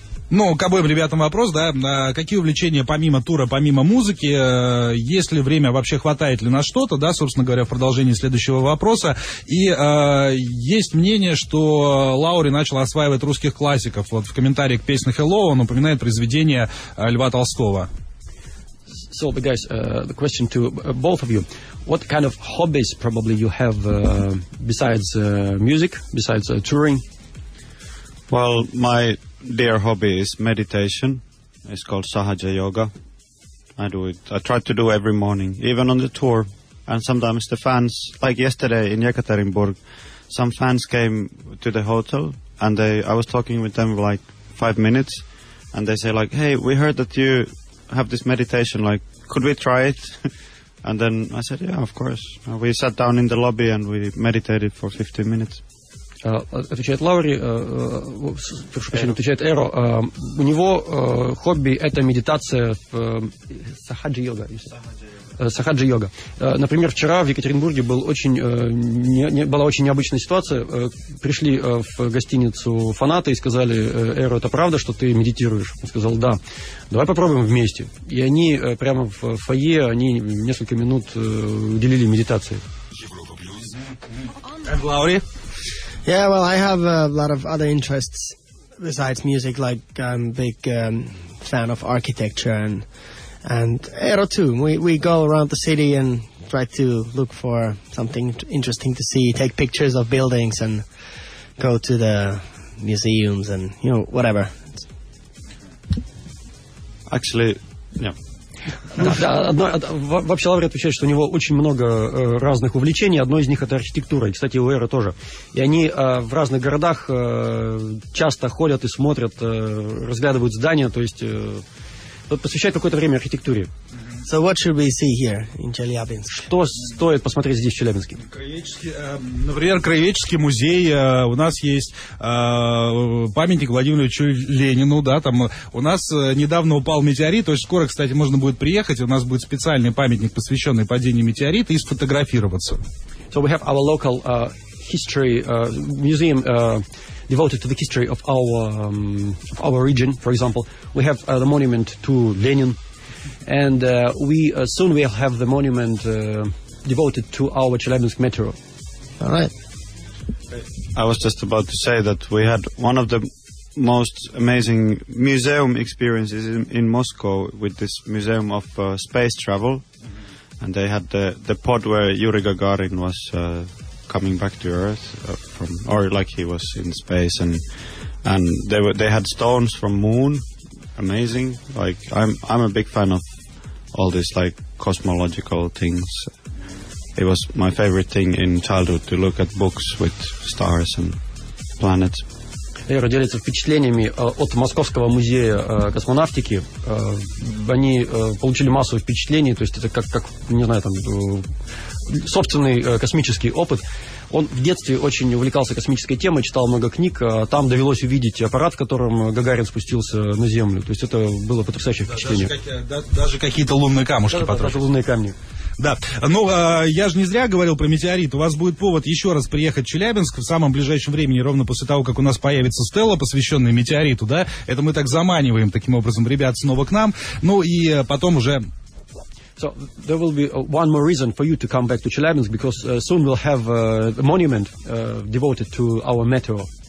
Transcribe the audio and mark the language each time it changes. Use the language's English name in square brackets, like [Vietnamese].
[Russian] Ну, к обоим ребятам вопрос, да, какие увлечения помимо тура, помимо музыки, есть ли время, вообще хватает ли на что-то, да, собственно говоря, в продолжении следующего вопроса, и есть мнение, что Лаури начал осваивать русских классиков, вот в комментарии к песне «Hello» он упоминает произведение Льва Толстого. [English] So, guys, the question to both of you, what kind of hobbies probably you have besides music, besides touring? Well, my dear hobby is meditation. It's called Sahaja Yoga. I do it. I try to do every morning, even on the tour. And sometimes the fans, like yesterday in Yekaterinburg, some fans came to the hotel, and I was talking with them like 5 minutes, and they say like, "Hey, we heard that you have this meditation. Like, could we try it?" And then I said, "Yeah, of course." And we sat down in the lobby and we meditated for 15 minutes. [Russian] Отвечает Лаури, прошу прощения, отвечает Эро. У него хобби – это медитация в сахаджи-йога. Сахаджи-йога. Например, вчера в Екатеринбурге была очень необычная ситуация. Пришли в гостиницу фанаты и сказали: «Эро, это правда, что ты медитируешь?» Он сказал: «Да, давай попробуем вместе». И они прямо в фойе, они несколько минут уделили медитации. Лаури? [English] Yeah, well, I have a lot of other interests besides music. Like, I'm a big fan of architecture, and Eero too. We go around the city and try to look for something interesting to see, take pictures of buildings, and go to the museums, and you know, whatever. Actually, yeah. [Russian] Вообще Лаури отвечает, что у него очень много разных увлечений. Одно из них — это архитектура. И, кстати, у Эра тоже. И они в разных городах часто ходят и смотрят, разглядывают здания. То есть посвящают какое-то время архитектуре. [English] So what should we see here in Chelyabinsk? [Russian] Что стоит посмотреть здесь, в Челябинске? Например, краеведческий музей. У нас есть памятник Владимиру Ильичу Ленину. Да, там у нас недавно упал метеорит. Очень скоро, кстати, можно будет приехать. У нас будет специальный памятник, посвященный падению метеорита, и сфотографироваться. [English] So we have our local history museum devoted to the history of our region, for example. We have the monument to Lenin. And soon we'll have the monument devoted to our Chelyabinsk metro. All right. I was just about to say that we had one of the most amazing museum experiences in Moscow with this Museum of Space Travel. And they had the pod where Yuri Gagarin was coming back to Earth from, or like he was in space, and they had stones from Moon, amazing. Like I'm a big fan of all these like cosmological things. It was my favorite thing in childhood to look at books with stars and planets. [Russian] Эра делится впечатлениями от Московского музея космонавтики. Они получили массу впечатлений, то есть это как не знаю, там, собственный космический опыт. Он в детстве очень увлекался космической темой, читал много книг. Там довелось увидеть аппарат, которым Гагарин спустился на Землю. То есть это было потрясающее впечатление. Даже какие-то лунные камушки потрогать. Даже лунные камни. Да, ну я же не зря говорил про метеорит. У вас будет повод еще раз приехать в Челябинск в самом ближайшем времени, ровно после того, как у нас появится стела, посвященная метеориту, да? Это мы так заманиваем таким образом ребят снова к нам. Ну и потом уже. [English] So there will be one more reason for you to come back to Chelyabinsk, because soon we'll have a monument devoted to our metro.